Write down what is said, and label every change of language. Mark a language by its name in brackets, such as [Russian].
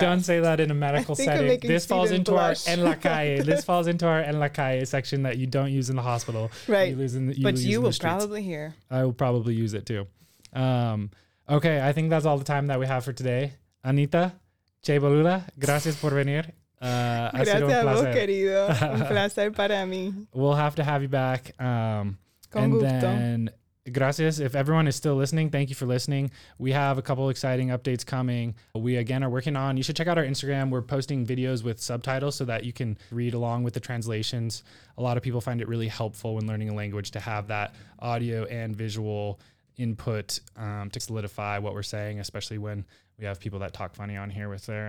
[English] Don't say that in a medical setting. This falls into blush. [Spanish] Our en la calle. [English] This falls into our [Spanish] en la calle [English] section that you don't use in the hospital. Right. You will probably hear. I will probably use it too. Okay, I think that's all the time that we have for today. [Spanish] Anita, che boluda, gracias por venir. Gracias a vos, querido. Un placer para mí. [English] We'll have to have you back. [Spanish] Con [English] and [Spanish] gusto. Then, gracias. [English] If everyone is still listening, thank you for listening. We have a couple exciting updates coming. We again are working on, you should check out our Instagram. We're posting videos with subtitles so that you can read along with the translations. A lot of people find it really helpful when learning a language to have that audio and visual input to solidify what we're saying, especially when we have people that talk funny on here with their